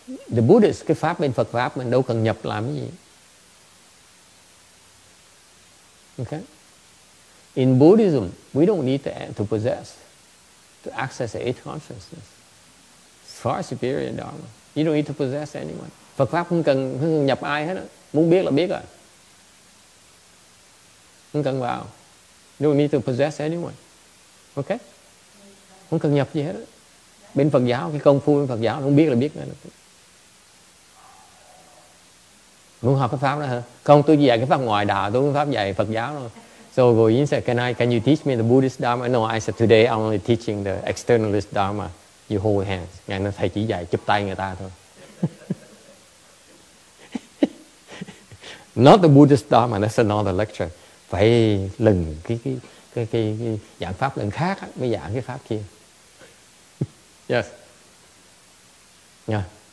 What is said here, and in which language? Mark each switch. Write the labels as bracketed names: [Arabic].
[Vietnamese] The Buddhist, cái pháp bên Phật pháp mình đâu cần nhập làm cái gì. [English] Okay. In Buddhism, we don't need to possess, to access the eighth consciousness. Far superior dharma. You don't need to possess anyone. [Vietnamese] Phật pháp không cần nhập ai hết á. Muốn biết là biết rồi. Không cần vào. [English] You don't need to possess anyone. [Vietnamese] Okay. Không cần nhập gì hết á. Bên Phật giáo, cái công phu bên Phật giáo, không biết là biết ngay được. Muốn học cái pháp đó hả? Không, tôi dạy cái pháp ngoại đạo, tôi không pháp dạy Phật giáo rồi. [English] So, rồi Yến said, can you teach me the Buddhist Dharma? No, I said, today I'm only teaching the externalist Dharma. You hold hands. [Vietnamese] Ngài nói, thầy chỉ dạy chụp tay người ta thôi. [English] Not the Buddhist Dharma, that's another lecture. [Vietnamese] Phải lần cái giảng pháp lần khác mới giảng cái pháp kia. [English] Yes. Yeah.